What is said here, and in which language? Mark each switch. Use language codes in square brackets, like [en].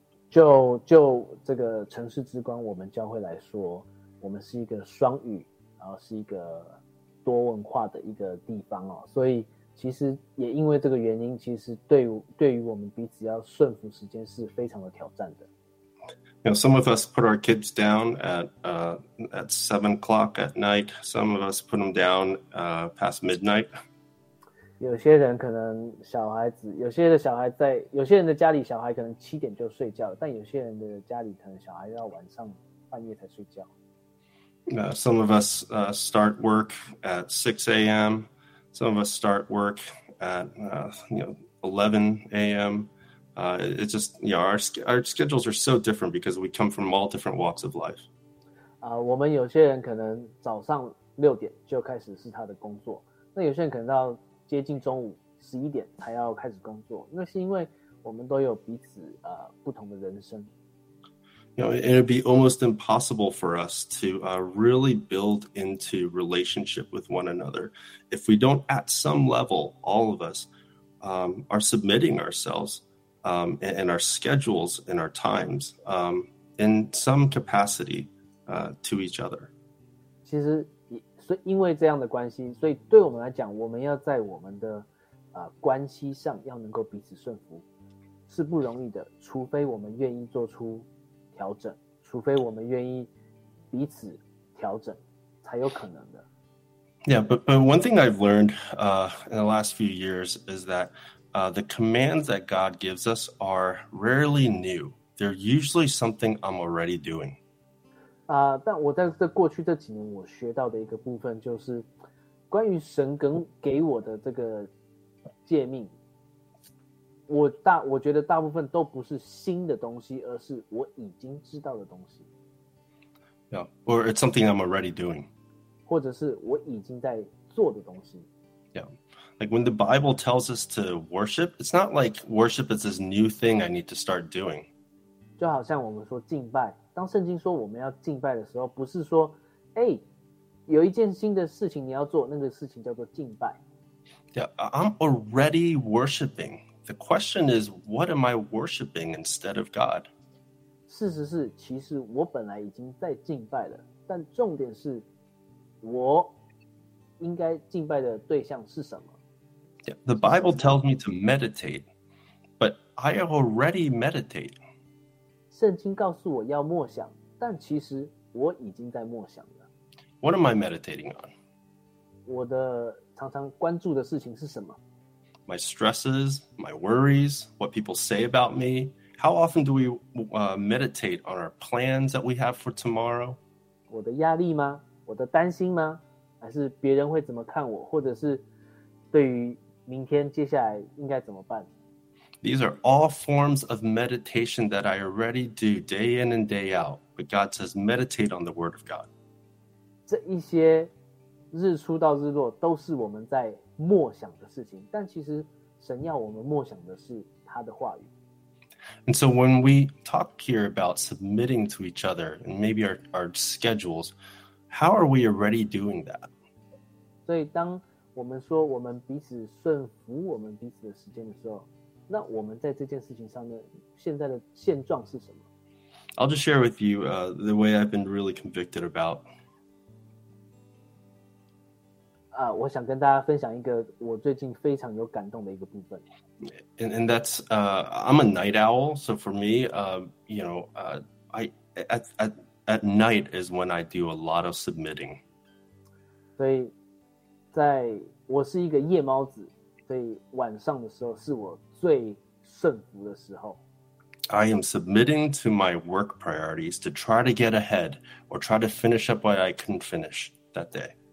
[zh] 就这个城市之光我们教会来说，我们是一个双语，然后是一个多文化的一个地方哦，所以其实也因为这个原因，其实对于我们彼此要顺服时间是非常的挑战的。 [en] You know, some of us put our kids down at 7 o'clock at night. Some of us put them down past midnight. [zh] 有些人可能小孩子，有些的小孩在，有些人的家里小孩可能七点就睡觉，但有些人的家里可能小孩要晚上半夜才睡觉。 [en] Some of us start work at 6 a.m. Some of us start work at 11 a.m. It's just, you know, our schedules are so different because we come from all different walks of life. [zh] 我们有些人可能早上六点就开始是他的工作，那有些人可能到接近中午十一点才要开始工作，那是因为我们都有彼此不同的人生。 [en] You know, it'd be almost impossible for us to really build into relationship with one another if we don't, at some level, all of us are submitting ourselves and our schedules and our times in some capacity to each other. [zh] 其实，所以因为这样的关系，所以对我们来讲，我们要在我们的关系上要能够彼此顺服，是不容易的，除非我们愿意做出调整，除非我们愿意彼此调整，才有可能的。 [en] Yeah, but one thing I've learned in the last few years is that the commands that God gives us are rarely new. They're usually something I'm already doing. [zh] 但我在这过去这几年我学到的一个部分就是关于神给我的这个诫命，我觉得大部分都不是新的东西，而是我已经知道的东西。 [en] Yeah, or it's something I'm already doing. [zh] 或者是我已经在做的东西。 [en] Yeah, like when the Bible tells us to worship, it's not like worship is this new thing I need to start doing. [zh] 就好像我们说敬拜，当圣经说我们要敬拜的时候，不是说，哎，有一件新的事情你要做，那个事情叫做敬拜。 [en] Yeah, I'm already worshiping. The question is, what am I worshiping instead of God? [zh] 事实是，其实我本来已经在敬拜了，但重点是，我应该敬拜的对象是什么？ [en] Yeah, the Bible tells me to meditate, but I already meditate. [zh] 圣经告诉我要默想，但其实我已经在默想了。 [en] What am I meditating on? [zh] 我的常常关注的事情是什么？ [en] My stresses, my worries, what people say about me. How often do we meditate on our plans that we have for tomorrow? [zh] 我的压力吗？我的担心吗？还是别人会怎么看我？或者是对于明天接下来应该怎么办？ [en] These are all forms of meditation that I already do day in and day out. But God says meditate on the word of God. [zh] 这一些日出到日落都是我们在默想的事情，但其实神要我们默想的是他的话语。 [en] And so when we talk here about submitting to each other and maybe our schedules, how are we already doing that? [zh] 所以当我们说我们彼此顺服我们彼此的时间的时候，那我们在这件事情上的现在的现状是什么？ [en] I'll just share with you the way I've been really convicted about. [zh] 我想跟大家分享一个我最近非常有感动的一个部分。 [en] And that's I'm a night owl, so for me, you know, at night is when I do a lot of submitting. [zh] 所以在我是一个夜猫子，所以晚上的时候是我最顺服的时候。 [en] I am submitting to my work priorities to try to get ahead or try to finish up what I couldn't finish that day.